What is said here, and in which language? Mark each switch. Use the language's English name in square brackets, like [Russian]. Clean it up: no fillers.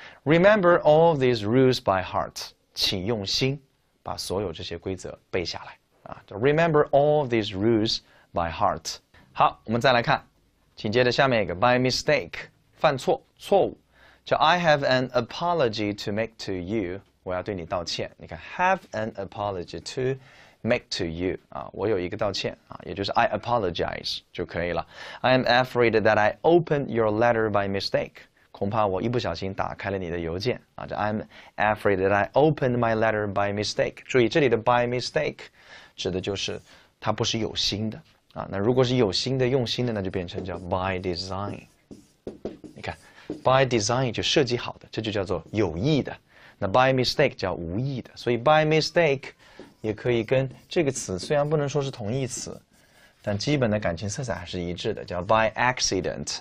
[English] Remember all these rules by heart， [Chinese] 请用心把所有这些规则背下来。啊， [English] Remember all these rules by heart。 [Chinese] 好，我们再来看，紧接着下面一个 [English] by mistake， [Chinese] 犯错、错误，叫 [English] I have an apology to make to you， [Chinese] 我要对你道歉。你看 [English] have an apology to make to you， [Chinese] 啊，我有一个道歉啊，也就是 [English] I apologize [Chinese] 就可以了。 [English] I am afraid that I opened your letter by mistake， [Chinese] 恐怕我一不小心打开了你的邮件啊。这 [English] I'm afraid that I opened my letter by mistake。 [Chinese] 注意这里的 [English] by mistake。 [Chinese] 指的就是他不是有心的啊，那如果是有心的、用心的，那就变成叫 [English] by design。 [Chinese] 你看， [English] by design [Chinese] 就设计好的，这就叫做有意的。那 [English] by mistake [Chinese] 叫无意的，所以 by mistake 也可以跟这个词虽然不能说是同义词，但基本的感情色彩还是一致的，叫 [English] by accident。